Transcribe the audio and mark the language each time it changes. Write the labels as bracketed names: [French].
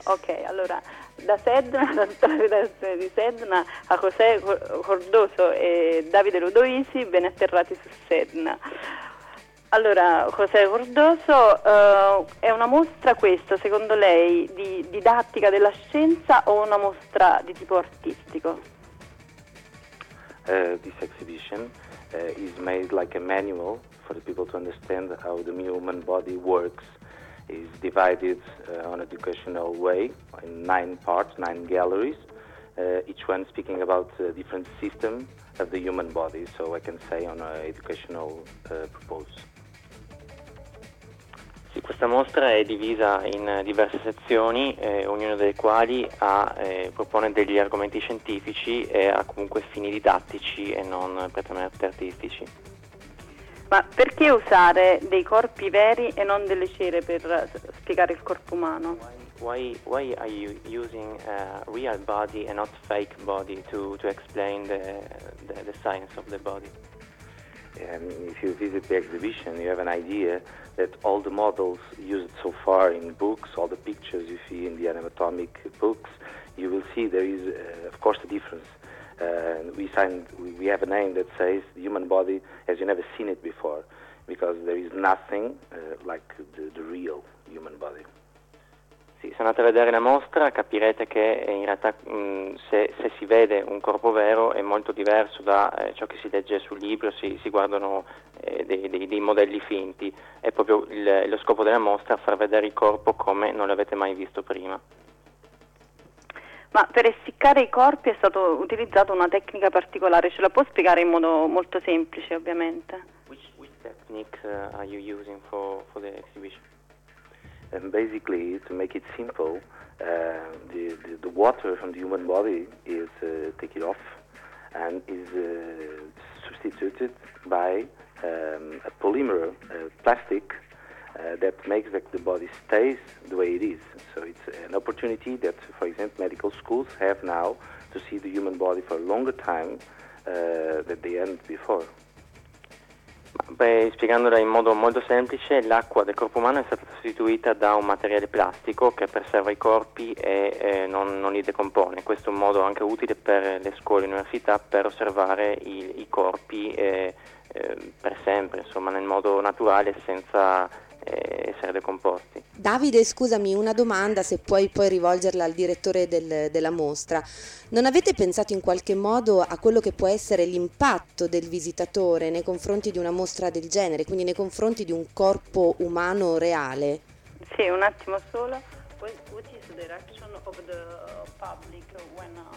[Italian] Ok, allora da Sedna, dalla redazione di Sedna, a José Cordoso e Davide Ludovici, ben atterrati su Sedna. Allora, José Cordoso, è una mostra questa, secondo lei, di didattica della scienza o una mostra di tipo artistico? [English] This exhibition is made like a manual for the people to understand how the human body works. Is divided on an educational way in 9 parts, 9 galleries, each one speaking about a different system of the human body, so I can say on an educational purpose. [Italian] Sì, questa mostra è divisa in diverse sezioni, ognuna delle quali propone degli argomenti scientifici e ha comunque fini didattici e non prettamente artistici. Ma perché usare dei corpi veri e non delle cere per spiegare il corpo umano? [English] Why are you using a real body and not fake body to explain the science of the body? If you visit the exhibition, you have an idea that all the models used so far in books, all the pictures you see in the anatomic books, you will see there is of course a difference. We have a name that says the human body as you never seen it before. because there is nothing like the real human body. [Italian] Sì, se andate a vedere la mostra capirete che in realtà se si vede un corpo vero è molto diverso da ciò che si legge sul libro, si guardano dei modelli finti. È proprio lo scopo della mostra, far vedere il corpo come non l'avete mai visto prima. Ma per essiccare i corpi è stata utilizzata una tecnica particolare, ce la può spiegare in modo molto semplice, ovviamente? [English] Which technique are you using for the exhibition? And basically, to make it simple, the water from the human body is taken off and is substituted by a polymer, a plastic, that makes that the body stays the way it is. So it's an opportunity that, for example, medical schools have now to see the human body for a longer time than they had before. [Italian] Beh, spiegandola in modo molto semplice, l'acqua del corpo umano è stata sostituita da un materiale plastico che preserva i corpi e non li decompone. Questo è un modo anche utile per le scuole e università per osservare i corpi per sempre, insomma, nel modo naturale, senza essere decomposti. Davide, scusami, una domanda, se puoi poi rivolgerla al direttore della mostra. Non avete pensato in qualche modo a quello che può essere l'impatto del visitatore nei confronti di una mostra del genere, quindi nei confronti di un corpo umano reale? Sì, un attimo solo. [English] What is the reaction of the public when